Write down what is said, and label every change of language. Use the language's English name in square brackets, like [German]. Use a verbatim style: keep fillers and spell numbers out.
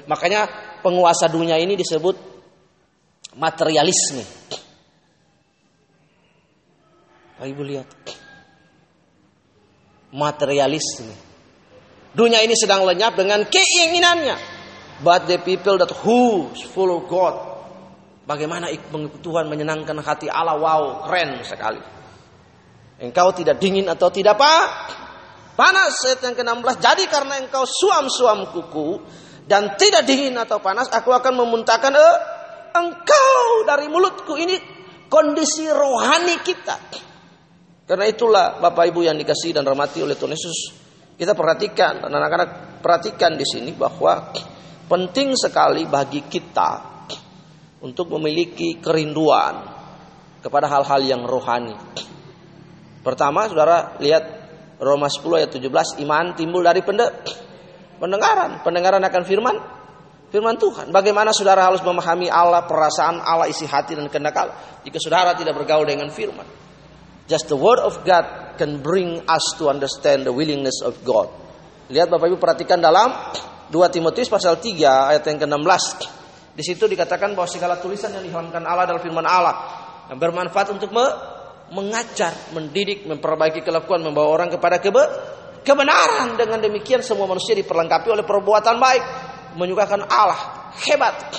[Indonesian] Makanya penguasa dunia ini disebut materialisme. Pak Ibu lihat. Materialisme. Dunia ini sedang lenyap dengan keinginannya. [English] But the people that who follow God. [Indonesian] Bagaimana Tuhan menyenangkan hati Allah. Wow, keren sekali. Engkau tidak dingin atau tidak pak panas. Ayat yang ke enam belas. Jadi karena engkau suam-suam kuku dan tidak dingin atau panas, aku akan memuntahkan eh, engkau dari mulutku. Ini kondisi rohani kita. Karena itulah Bapak Ibu yang dikasihi dan rahmati oleh Tuhan Yesus, kita perhatikan, dan anak-anak perhatikan di sini bahwa penting sekali bagi kita untuk memiliki kerinduan kepada hal-hal yang rohani. Pertama, saudara lihat Roma sepuluh ayat tujuh belas, iman timbul dari pendengaran. Pendengaran akan firman, firman Tuhan. Bagaimana saudara harus memahami Allah, perasaan Allah, isi hati dan kehendak Allah jika saudara tidak bergaul dengan firman. [English] Just the word of God can bring us to understand the willingness of God. [Indonesian] Lihat Bapak Ibu perhatikan dalam dua Timotius pasal tiga ayat yang ke enam belas. Di situ dikatakan bahwa segala tulisan yang diilhamkan Allah adalah firman Allah yang bermanfaat untuk me- mengajar, mendidik, memperbaiki kelakuan, membawa orang kepada kebenaran. Dengan demikian semua manusia diperlengkapi oleh perbuatan baik, menyukakan Allah. Hebat.